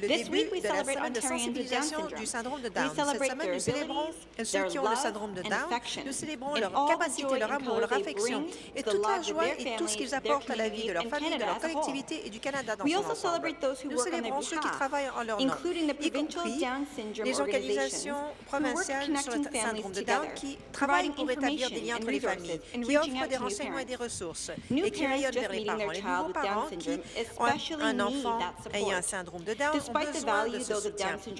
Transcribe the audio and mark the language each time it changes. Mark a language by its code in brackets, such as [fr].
[en] This week, we celebrate Ontarians with Down Syndrome. We celebrate their abilities, their love, and affection. [fr] Nous célébrons leur capacité, leur amour, leur affection, et toute la joie et tout ce qu'ils apportent à la vie de leur famille, de leur collectivité et du Canada dans son ensemble. [en] We also celebrate those who work on their behalf, including the provincial Down Syndrome organizations, who work connecting families together, [fr] pour établir des liens entre les familles, qui offrent des renseignements et des ressources, et qui rayonnent vers les parents. Les nouveaux parents qui ont un enfant ayant un syndrome de Down ont besoin de ce soutien.